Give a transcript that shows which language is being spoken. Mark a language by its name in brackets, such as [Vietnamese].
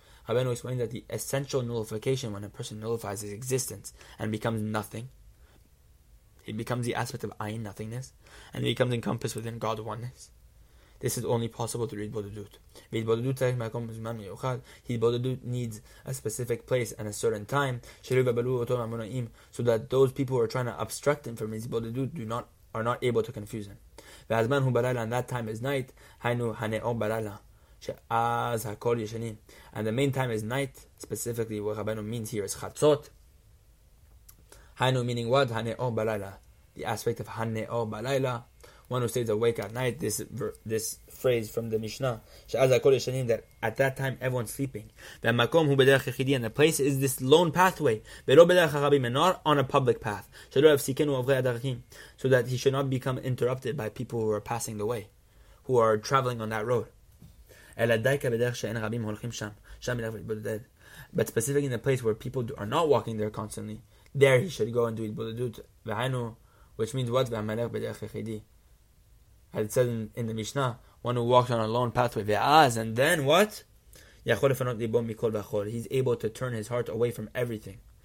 [English] Rabbeinu explained that the essential nullification, when a person nullifies his existence and becomes nothing, he becomes the aspect of ayin, nothingness, and he becomes encompassed within God oneness. This is only possible through hitbodedut. [Hebrew] V'hitbodedut tzarech makom zman miyuchad. [English] Hitbodedut needs a specific place and a certain time, so that those people who are trying to obstruct him from his hitbodedut do not are not able to confuse him. [Hebrew] והזמן הוא בלילה, [English] and that time is night, [Hebrew] היינו הנאור בלילה, שאז הכל ישנים. [English] And the main time is night, specifically what Rabbeinu means here is חצות. היינו meaning what? הנאור בלילה. The aspect of הנאור בלילה, one who stays awake at night, this phrase from the Mishna, [Hebrew] שאז הכל ישנים, [English] that at that time everyone's sleeping. [Hebrew] והמקום הוא בדרך יחידי, [English] and the place is this lone pathway, [Hebrew] ולא בדרך הרבים, [English] and not on a public path, [Hebrew] שלא יפסיקנו עוברי הדרכים, [English] so that he should not become interrupted by people who are passing the way, who are traveling on that road. [Hebrew] אלא דייקה בדרך שאין רבים הולכים שם, שם בדרך להתבודד. [English] But specifically in the place where people are not walking there constantly, there he should go and do Hitbodedut, והיינו, which means what? [Hebrew] והמלך בדרך יחידי. [English] As it says in the Mishnah, one who walks on a lone pathway, ve'az, and then what? [Hebrew] Yachol lefanot libo mikol v'chol. [English] He's able to turn his heart away from everything.